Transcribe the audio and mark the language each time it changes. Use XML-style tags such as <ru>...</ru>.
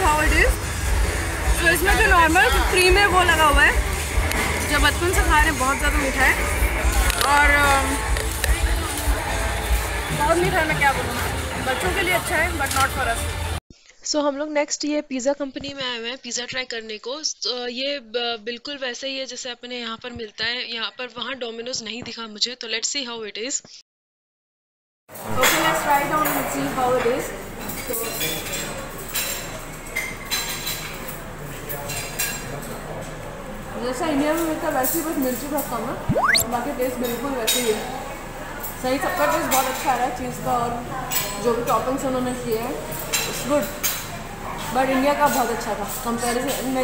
<en>actually how it is,</en> <hi>सो इसमें जो normal cream है वो लगा हुआ है, जो बचपन से खा रहे हैं, बहुत ज़्यादा मीठा है और बहुत मीठा है. मैं क्या बोलूँ, बच्चों के लिए अच्छा है</hi> <en>But not for us.</en> <hi>सो हम लोग नेक्स्ट ये पिज़्ज़ा कंपनी में आए हुए हैं पिज़्ज़ा ट्राई करने को. ये बिल्कुल वैसे ही है जैसे अपने यहाँ पर मिलता है, यहाँ पर वहाँ डोमिनोज नहीं दिखा मुझे, तो</hi> <en>Let's see how it is. Okay, let's try it out and see how it is.</en> <hi>जैसा इंडिया में मिलता वैसे ही बस मिर्ची बहुत कम है, बाकी टेस्ट बिल्कुल वैसे ही है. सही, सबका टेस्ट बहुत अच्छा आ रहा है, चीज़ का और जो भी टॉपिंग्स उन्होंने किए हैं</hi> <en>it's good,</en> <hi>बट इंडिया का बहुत अच्छा था कंपेरिजन में.</hi>